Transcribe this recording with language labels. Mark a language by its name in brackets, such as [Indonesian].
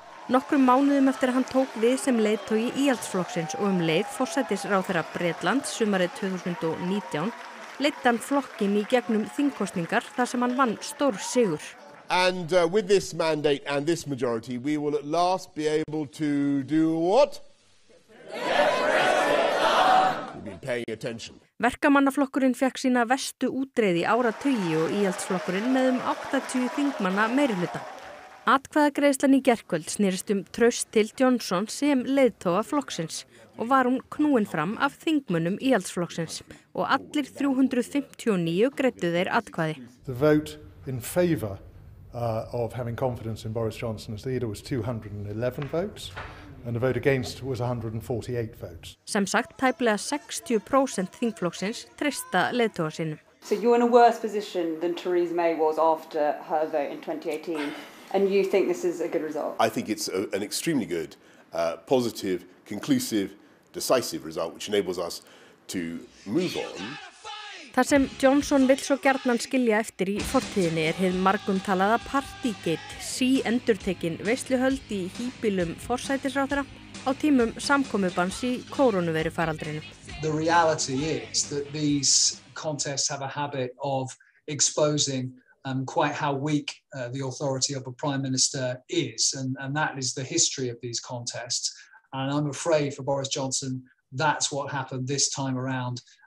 [Icelandic] Nokkrum mánuðum eftir að hann tók við sem leiðtogi íhaldsflokksins og leið forsætisráðherra Bretlands sumarið 2019 leiddi hann flokkinn í gegnum þingkosningar þar sem hann vann stór sigur. [English] And with this mandate and this majority we will at last be able to do what? We've been paying attention. [Icelandic] Verkamannaflokkurinn fékk sína vestu útreið í áratugi og íhaldsflokkurinn með 80 þingmanna meirihluta. Atkvæðagreiðslan í gærkvöld snerist traust til Johnson sem leiðtoga flokksins og var hún knúin fram af þingmönnum íhaldsflokksins og allir 359 greiddu þeir atkvæði. [English] The vote in favor of having confidence in Boris Johnson as leader was 211 votes. And the vote against was 148 votes. [Icelandic] Sem sagt, tæplega 60% þingflokksins treysta leiðtoga sínum. [English] So you're in a worse position than Theresa May was after her vote in 2018, and you think this is a good result? I think it's an extremely good, positive, conclusive, decisive result, which enables us to move on. [Icelandic] Það sem Johnson vill svo gjarnan skilja eftir í fortíðinni hið margumtalaða partygate, síendurtekin veisluhöld í híbýlum forsætisráðherra á tímum samkomubans í koronaveirufaraldrinum. [English] The reality is that these contests have a habit of exposing quite how weak the authority of a prime minister is and that is the history of these contests and I'm afraid for Boris Johnson that's what happened this time around.